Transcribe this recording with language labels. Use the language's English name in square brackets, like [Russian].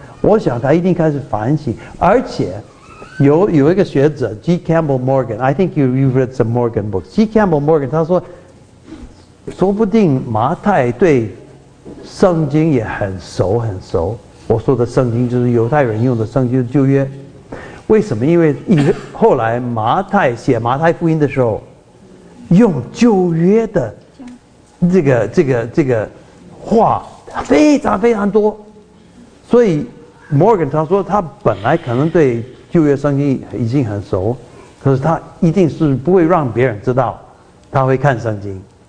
[Chinese] 我想他一定开始反省，而且有一个学者 G. [English] Campbell Morgan，I think you've read some Morgan books。 G. Campbell Morgan [Chinese] 他说。说不定马太对圣经也很熟，我说的圣经就是犹太人用的圣经，旧约。为什么？因为后来马太写马太福音的时候用旧约的这个话非常非常多，所以 Morgan 他说他本来可能对旧约圣经已经很熟，可是他一定是不会让别人知道他会看圣经。